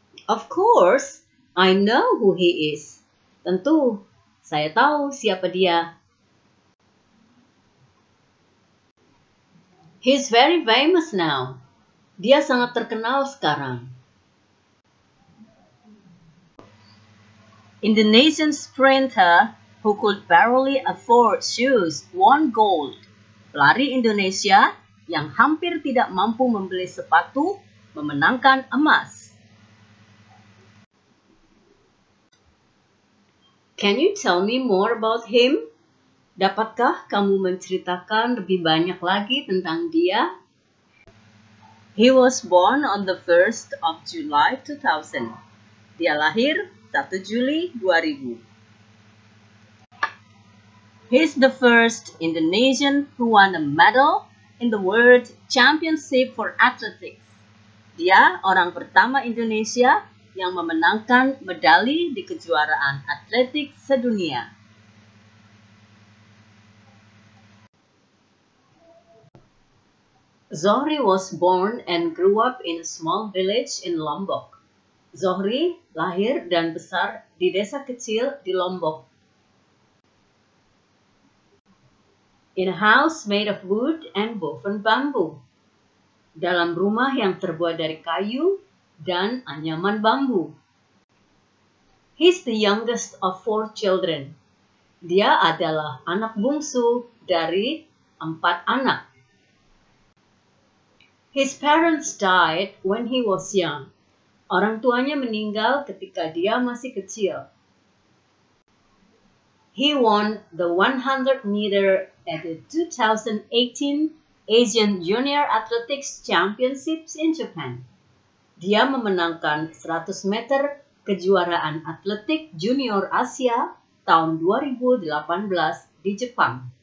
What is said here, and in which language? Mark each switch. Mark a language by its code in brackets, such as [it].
[en] Of course, I know who he is. [id] Tentu, saya tahu siapa dia. [en] He's very famous now. [id] Dia sangat terkenal sekarang. [en] Indonesian sprinter who could barely afford shoes won gold. [id] Pelari Indonesia yang hampir tidak mampu membeli sepatu memenangkan emas. [en] Can you tell me more about him? [id] Dapatkah kamu menceritakan lebih banyak lagi tentang dia? [en] He was born on the 1st of July 2000. [id] Dia lahir 1 Juli 2000. [en] He's the first Indonesian who won a medal in the World Championship for Athletics. [id] Dia orang pertama Indonesia yang memenangkan medali di kejuaraan atletik sedunia. [en] Zohri was born and grew up in a small village in Lombok. [id] Zohri lahir dan besar di desa kecil di Lombok. [en] In a house made of wood and woven bamboo. [id] Dalam rumah yang terbuat dari kayu dan anyaman bambu. [en] He's the youngest of four children. [id] Dia adalah anak bungsu dari empat anak. [en] His parents died when he was young. [id] Orang tuanya meninggal ketika dia masih kecil. [en] He won the 100 meter at the 2018 Asian Junior Athletics Championships in Japan. [id] Dia memenangkan 100 meter kejuaraan atletik junior Asia tahun 2018 di Jepang.